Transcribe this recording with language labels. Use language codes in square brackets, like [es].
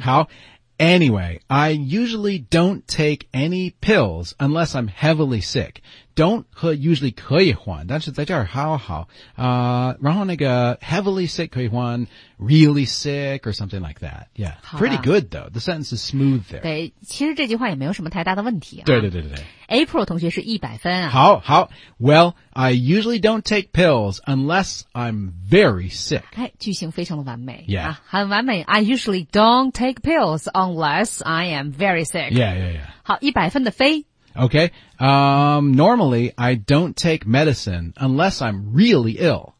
[en] 好 Anyway, I usually don't take any pills unless I'm heavily sick. [zh] Don't 和 usually 可以换但是在这儿好好。然后那个 heavily sick 可以换 [en] really sick or something like that. Yeah, pretty good though. The sentence is smooth there. [zh] 对其实这句话也没有什么太大的问题、啊。对对对对。 April 同学是100分啊。好好。 [en] Well, I usually don't take pills unless I'm very sick. [zh] 哎句型非常的完美。 [en] Yeah.、 [zh] 啊、很完美。 [en] I usually don't take pills unless I am very sick. Yeah, yeah, yeah. [zh] 好 ,100 分的飞。 [en] Okay, normally I don't take medicine unless I'm really ill.